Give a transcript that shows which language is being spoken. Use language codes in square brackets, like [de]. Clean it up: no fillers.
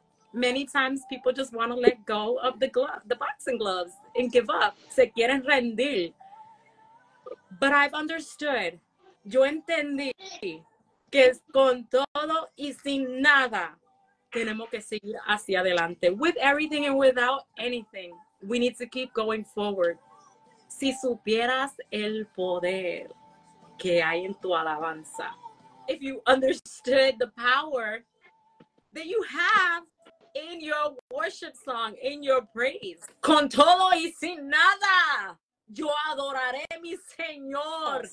[en] Many times people just want to let go of the glove, the boxing gloves, and give up. [es] Se quieren rendir. [en] But I've understood. [es] Yo entendí que es con todo y sin nada tenemos que seguir hacia adelante. [en] With everything and without anything, we need to keep going forward. [es] Si supieras el poder que hay en tu alabanza. [en] If you understood the power that you have in your worship song, in your praise. [es] Con todo y sin nada, yo adoraré mi Señor.